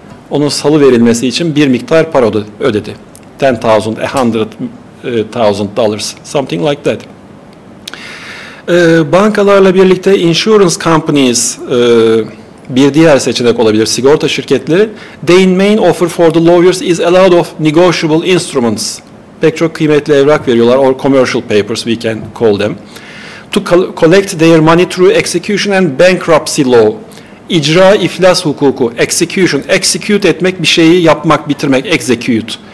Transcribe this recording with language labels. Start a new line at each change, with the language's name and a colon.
Turkish: Onun salıverilmesi için bir miktar para ödedi. $10,000, $100,000,
English: something like that.
Turkish: Bankalarla birlikte insurance companies bir diğer seçenek olabilir, sigorta şirketleri.
English: Their main offer for the lawyers is a lot of negotiable instruments.
Turkish: Pek çok kıymetli evrak veriyorlar,
English: or commercial papers we can call them. To collect their money through execution and bankruptcy law.
Turkish: İcra iflas hukuku, execution, execute etmek, bir şeyi yapmak, bitirmek, execute.